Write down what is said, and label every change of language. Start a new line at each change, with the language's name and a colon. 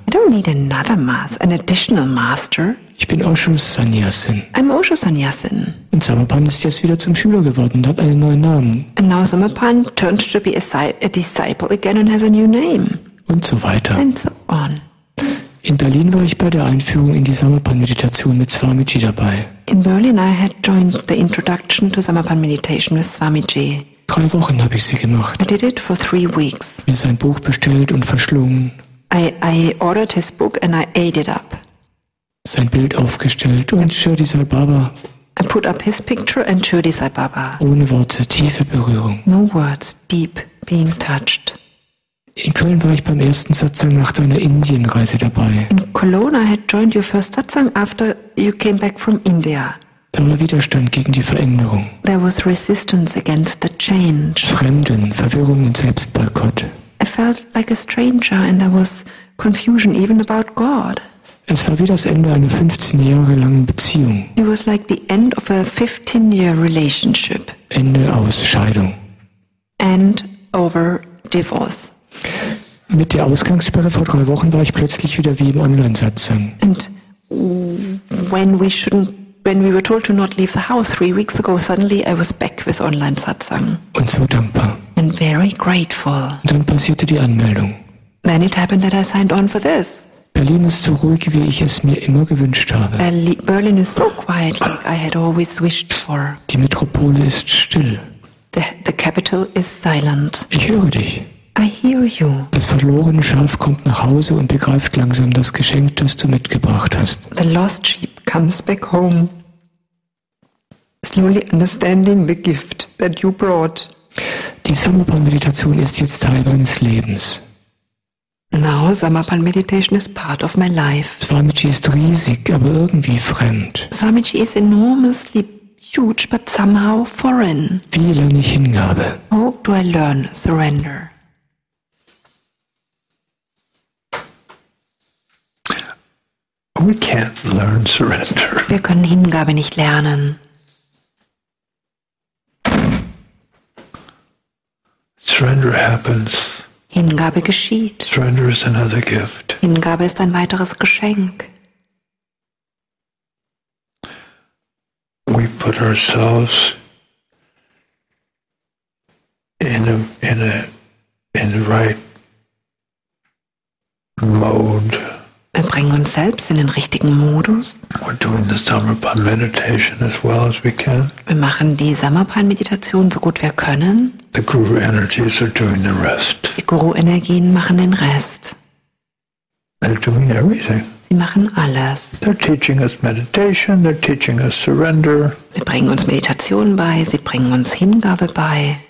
English: I don't need another master, an additional master.
German: Ich bin Osho Sannyasin.
English: I'm Osho Sannyasin.
German: Und Summerpan ist jetzt wieder zum Schüler geworden und hat einen neuen Namen.
English: And now Summerpan turns to be a disciple again and has a new name.
German: Und so weiter.
English: And so on.
German: In Berlin war ich bei der Einführung in die Summerpan-Meditation mit Swamiji dabei.
English: In Berlin I had joined the introduction to Summerpan-Meditation with Swamiji.
German: 3 Wochen habe ich sie gemacht.
English: I did it for 3 weeks.
German: Mir sein Buch bestellt und verschlungen.
English: I ordered his book and I ate it up.
German: Sein Bild aufgestellt und Shirdi Sai Baba.
English: I put up his picture and Shirdi Sai Baba.
German: Ohne Worte, tiefe Berührung.
English: No words, deep being touched.
German: In Köln war ich beim ersten Satsang nach deiner Indienreise dabei.
English: In Cologne I had joined your first Satsang after you came back from India.
German: Da war Widerstand gegen die Veränderung.
English: There was resistance against the change.
German: Fremden, Verwirrung und Selbstboykott.
English: I felt like a stranger and there was confusion even about God.
German: Es war wie das Ende einer 15 Jahre langen Beziehung.
English: It was like the end of a 15-year relationship.
German: Ende aus Scheidung.
English: End over divorce.
German: Mit der Ausgangssperre vor 3 Wochen war ich plötzlich wieder wie im Online-Satsang.
English: And when we were told to not leave the house 3 weeks ago, suddenly I was back with Online-Satsang.
German: Und so dankbar.
English: And very grateful.
German: Und dann passierte die Anmeldung.
English: Then it happened that I signed on for this.
German: Berlin ist so ruhig, wie ich es mir immer gewünscht habe.
English: Berlin is so quiet, like I had always wished for.
German: Die Metropole ist still.
English: The capital is silent.
German: Ich höre dich.
English: I hear you.
German: Das verlorene Schaf kommt nach Hause und begreift langsam das Geschenk, das du mitgebracht hast.
English: The lost sheep comes back home, slowly understanding the gift that you brought.
German: Die Summerpan-Meditation ist jetzt Teil meines Lebens.
English: Now, Summerpan meditation is part of my life.
German: Swamiji ist riesig, aber irgendwie fremd.
English: Swamiji is enormously huge, but somehow foreign.
German: Wie lerne ich Hingabe?
English: How do I learn surrender? We can't learn surrender.
German: Wir können Hingabe nicht lernen.
English: Surrender happens.
German: Hingabe geschieht.
English: Surrender is another gift.
German: Hingabe ist ein weiteres Geschenk.
English: We put ourselves in the right mode.
German: Wir bringen uns selbst in den richtigen Modus.
English: We're doing the Samapan meditation as well as we can.
German: Wir machen die Samapan-Meditation so gut wir können.
English: The Guru energies are doing the rest.
German: Die Guru-Energien machen den Rest.
English: They're doing everything.
German: Sie machen alles.
English: They're teaching us meditation. They're teaching us surrender.
German: Sie bringen uns Meditation bei. Sie bringen uns Hingabe bei.